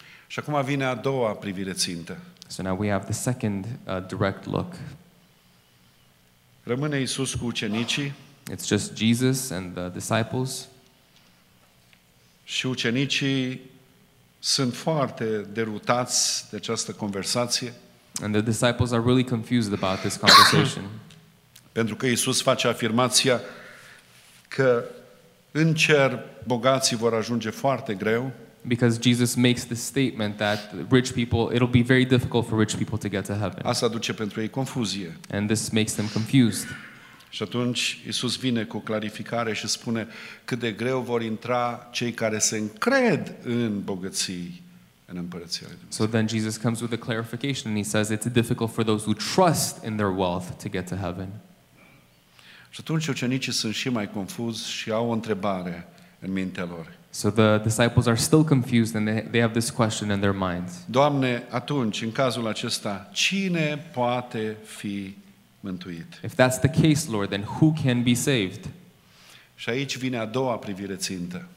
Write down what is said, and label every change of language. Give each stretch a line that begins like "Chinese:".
Romanian: Și acum vine a doua privire țintă.
English: So now we have the second direct look.
Romanian: Rămâne Iisus cu ucenicii.
English: It's just Jesus and the disciples.
Romanian: Și ucenicii sunt foarte derutați de această conversație.
English: And the disciples are really confused about this conversation.
Romanian: Pentru că Iisus face afirmația că în cer bogații vor ajunge foarte greu.
English: Because Jesus makes the statement that rich people, it'll be very difficult for rich people to get to heaven.
Romanian: Asta aduce pentru ei confuzie.
English: And this makes them confused.
Romanian: Și atunci Iisus vine cu o clarificare și spune cât de greu vor intra cei care se încred în bogății în împărăția lui Dumnezeu.
English: So then Jesus comes with a clarification and he says it's difficult for those who trust in their wealth to get to heaven.
Romanian: Și atunci ucenicii sunt și mai confuzi și au o întrebare în mintea lor.
English: So the disciples are still confused and they have this question in their minds.
Romanian: Doamne, atunci, în cazul acesta, cine poate fi mântuit?
English: If that's the case, Lord, then who can be saved?
Romanian: Și aici vine a doua privire țintă.